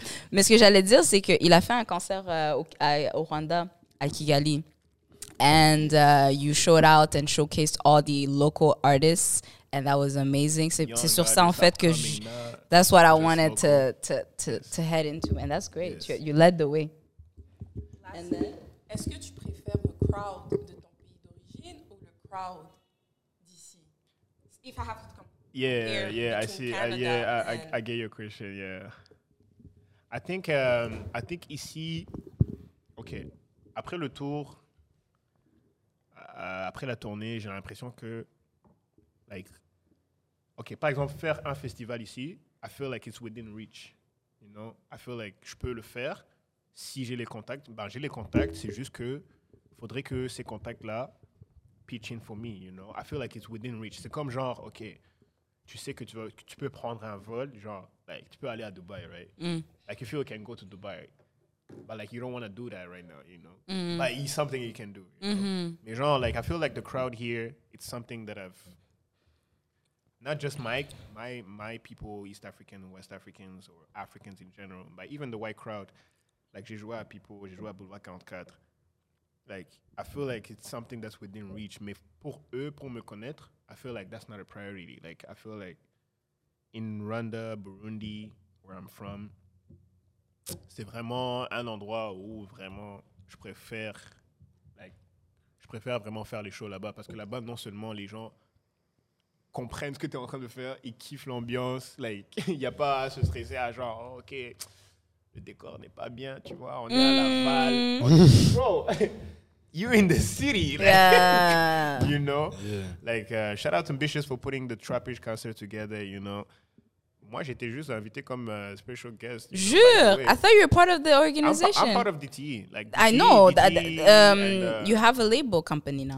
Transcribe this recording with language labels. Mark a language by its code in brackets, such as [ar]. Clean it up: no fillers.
[fr] Mais ce que j'allais dire, c'est qu'il a fait un concert au Rwanda, à Kigali. [en] And you showed out and showcased all the local artists, and that was amazing. [fr] C'est sur ça en fait que [en] that's what I wanted local. to head into, and that's great. Yes. You led the way. And then, [fr] est-ce que tu préfères le crowd de ton pays d'origine ou le crowd d'ici? [en] If I have to come. Yeah, I see. I get your question. Yeah, I think ici, okay. [fr] après le tour, après la tournée, j'ai l'impression que, like, OK, par exemple, faire un festival ici, [en] I feel like it's within reach, you know? I feel like [fr] je peux le faire si j'ai les contacts. Ben, j'ai les contacts, c'est juste que faudrait que ces contacts-là [en] pitch in for me, you know? I feel like it's within reach. [fr] C'est comme genre, OK, tu sais que tu peux prendre un vol, genre, like, tu peux aller à Dubaï, right? Mm. [en] Like, you feel you can go to Dubaï. But, like, you don't want to do that right now, you know? Mm. But it's something you can do. You mm-hmm. know? [fr] Mais genre, [en] like, I feel like the crowd here, it's something that I've... Not just my people, East African, West Africans, or Africans in general, but even the white crowd. Like, [fr] j'ai joué à People, j'ai joué à Boulevard 44. [en] Like, I feel like it's something that's within reach. [fr] Mais pour eux, pour me connaître, [en] I feel like that's not a priority. Like, I feel like in Rwanda, Burundi, where I'm from, [fr] c'est vraiment un endroit où vraiment je préfère vraiment faire les shows là-bas, parce que là-bas, non seulement les gens comprennent ce que tu es en train de faire, ils kiffent l'ambiance, like, il n'y a pas à se stresser à genre, oh, OK, le décor n'est pas bien, tu vois, on est à Laval. [en] Bro, you're in the city, like, yeah. You know? Yeah. Like, shout out to Ambitious for putting the Trappish concert together, you know? [fr] Moi, j'étais juste invité comme [en] special guest. [fr] Jure! [en] I thought you were part of the organization. I'm part of DT. Like, DT, I know. DT, that you have a label company now.